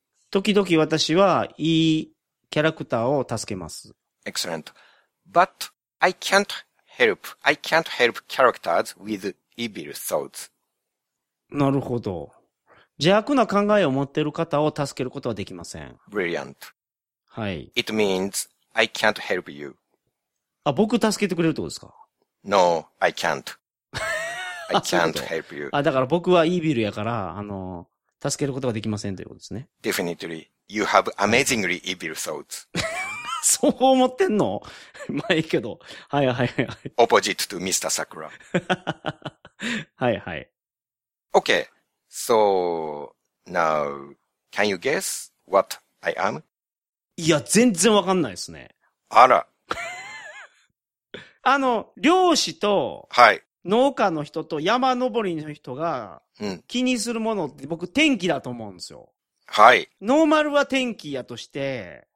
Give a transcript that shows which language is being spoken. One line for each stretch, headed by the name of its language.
Japanese: 時々私はいいキャラクターを助けます。
English: Excellent. But I can't help characters with evil thoughts.
Japanese: なるほど。邪悪な考えを持っている方を助けることはできません。
English: Brilliant.
Japanese: はい。
English: It means I can't help you.
Japanese: あ、僕助けてくれるってことですか？
English: No, I can't. I can't help you.
Japanese: あ、だから僕はイービルやから、助けることができませんということですね。
English: Definitely. You have amazingly evil thoughts.
Japanese: そう思ってんの？まあいいけど。はいはいはい。
English: Opposite to Mr. Sakura.
Japanese: はいはい。
English: Okay, so now, can you guess what I am?
Japanese: いや、全然わかんないですね。あら。漁師と、はい。農家の人と山登りの人が、気にするものって僕、天気だと思うんですよ。はい。ノーマルは天気やとして、